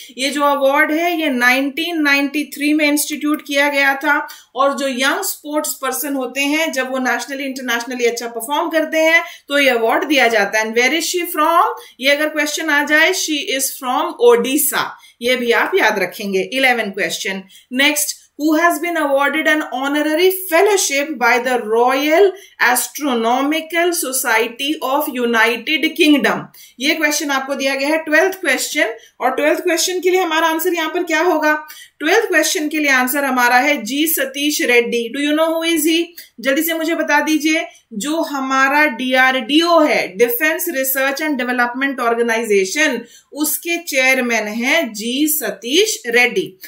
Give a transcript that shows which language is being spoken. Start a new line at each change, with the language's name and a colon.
Hindi: ये जो अवार्ड है ये 1993 में इंस्टीट्यूट किया गया था, और जो यंग स्पोर्ट्स पर्सन होते हैं जब वो नेशनली इंटरनेशनली अच्छा परफॉर्म करते हैं तो ये अवार्ड दिया जाता है।
English: and where is she from,
Hindi: ये अगर क्वेश्चन आ जाए
English: she is from Odisha,
Hindi: ये भी आप याद रखेंगे।
English: 11 question next, Who has been awarded an honorary fellowship by the Royal Astronomical Society of United Kingdom?
Hindi: ये क्वेश्चन आपको दिया गया है 12th क्वेश्चन, और 12th क्वेश्चन के लिए हमारा आंसर यहाँ पर क्या होगा, 12th क्वेश्चन के लिए आंसर हमारा है जी Satish Reddy.
English: do you know who is he,
Hindi: जल्दी से मुझे बता दीजिए। जो हमारा DRDO है, defence research and development organisation, उसके चेयरमैन है जी सतीश रेड्डी।